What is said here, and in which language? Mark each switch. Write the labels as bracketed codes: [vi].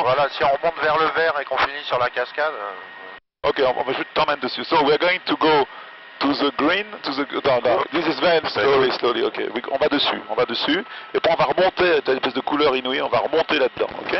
[fr] Voilà, si on remonte vers le vert et qu'on finit sur la cascade. Ok, je t'emmène dessus. [en] So we are going to go to the green, to the. No. This is Van, slowly, slowly. [fr] Ok, on va dessus, on va dessus. Et puis on va remonter, t'as une espèce de couleur inouïe, on va remonter là-dedans, okay?